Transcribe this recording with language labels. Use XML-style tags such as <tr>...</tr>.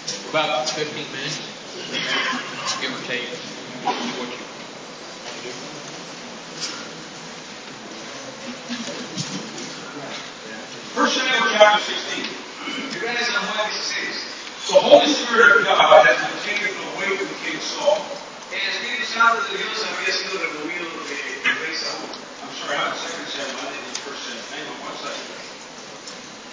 <en>About 15 minutes, give or take, what you want to do. First Samuel chapter 16. You guys are Samuel 16. The Holy Spirit of God has been taken away from King Saul.</en> <es>El Espíritu Santo de Dios había sido removido de rey Saúl.</es> <en>I'm sorry, I'm second Samuel, I didn't first Samuel. Hang on one second.</en>